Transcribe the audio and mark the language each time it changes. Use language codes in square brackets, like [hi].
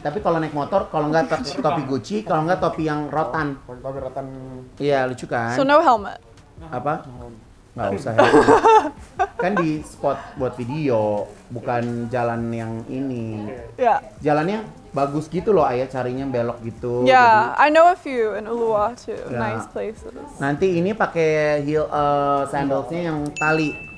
[id] Tapi kalau naik motor kalau nggak topi Gucci, kalau nggak topi yang rotan. Topi rotan. Iya lucu kan. [en] So no helmet. [id] Apa? Nggak usah ya. Kan di spot buat video, bukan jalan yang ini. [en] Yeah. [id] Jalannya bagus gitu loh Ayah, carinya belok gitu. [en] Yeah, jadi, I know a few in Uluwatu, yeah. Nice places. [id] Nanti ini pakai heel sandalsnya yang tali.